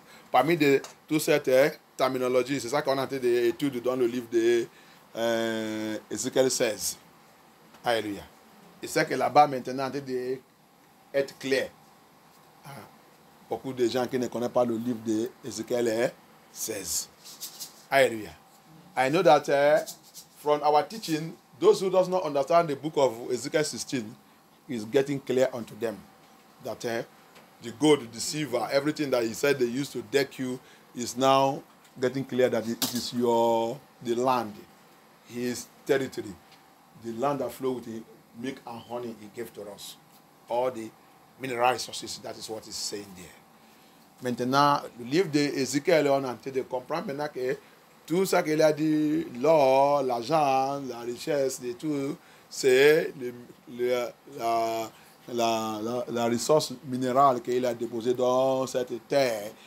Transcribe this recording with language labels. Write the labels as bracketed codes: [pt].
[fr] Parmi de toute cette terminologie, c'est ça qu'on a été étudié dans le livre de Ézéchiel 16. Alléluia. Et c'est que là-bas, maintenant, en train d'être clair. Beaucoup de gens qui ne connaissent pas le livre de Ézéchiel 16. [en] Alléluia. I know that from our teaching, those who does not understand the book of Ézéchiel 16 is getting clear unto them that the gold, the silver, everything that he said they used to deck you is now getting clear that it is the land, his territory, the land that flows with the milk and honey he gave to us. All the mineral resources, that is what he's saying there. [fr] Maintenant, le livre d'Ézéchiel, on a tenté de comprendre maintenant que tout ce qu'il a dit, l'or, l'argent, la richesse et tout, c'est la ressource minérale qu'il a déposée dans cette terre.